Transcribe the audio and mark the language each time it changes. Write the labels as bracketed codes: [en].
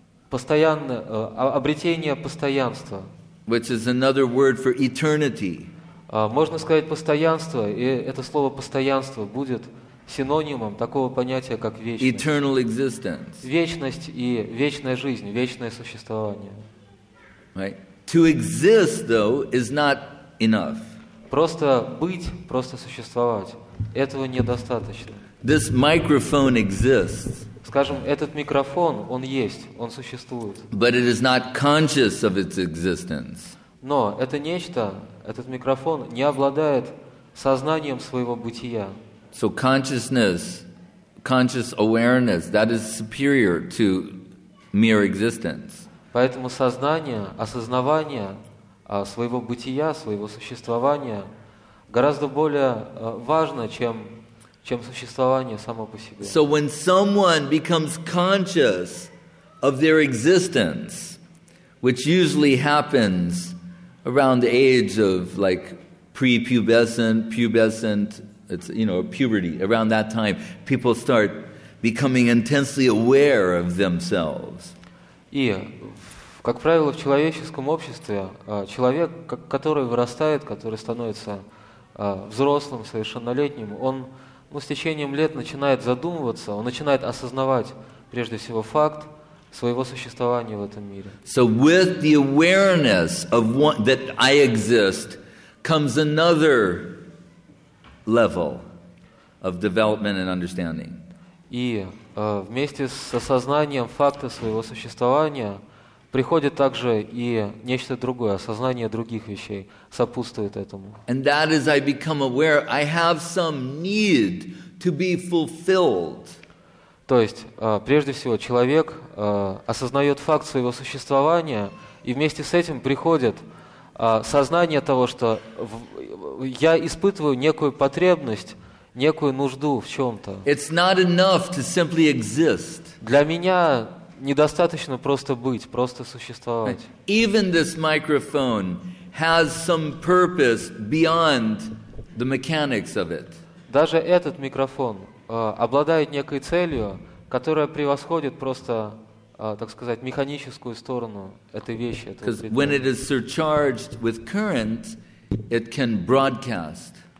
[ru] Обретение постоянства. [en] Which is another word for eternity. [ru] Можно сказать постоянство, и это слово постоянство будет синонимом такого понятия, как вечность. [en] Eternal existence. [ru] Вечность и вечная жизнь, вечное существование. [en] Right. To exist, though, is not enough. [ru] Просто быть, просто существовать, этого недостаточно. [en] This microphone exists. [ru] Скажем, этот микрофон, он есть, он существует. [en] But it is not conscious of its existence. [ru] Но это нечто, этот микрофон не обладает сознанием своего бытия. [en] So consciousness, conscious awareness, that is superior to mere existence. [ru] Поэтому сознание, осознавание своего бытия, своего существования гораздо более важно, чем существование само по себе. [en] So when someone becomes conscious of their existence, which usually happens around the age of like prepubescent, pubescent, it's, you know, puberty, around that time, people start becoming intensely aware of themselves. [ru] И, как правило, в человеческом обществе человек, который вырастает, который становится взрослым, совершеннолетним, он с течением лет начинает задумываться, он начинает осознавать, прежде всего, факт своего существования в этом мире. [en] So with the awareness of one, that I exist comes another level of development and understanding. [ru] И вместе с осознанием факта своего существования приходит также и нечто другое, осознание других вещей сопутствует этому. [en] And that is I become aware I have some need to be fulfilled. [ru] То есть, прежде всего, человек осознает факт своего существования, и вместе с этим приходит сознание того, что я испытываю некую потребность, некую нужду в чем-то. [en] It's not enough to simply exist. [ru] Для меня недостаточно просто быть, просто существовать. [en] Even this microphone has some purpose beyond the mechanics of it. [ru] Даже этот микрофон обладает некой целью, которая превосходит просто, так сказать, механическую сторону этой вещи, этого предмета. [en] Because when it is surcharged with current, it can broadcast.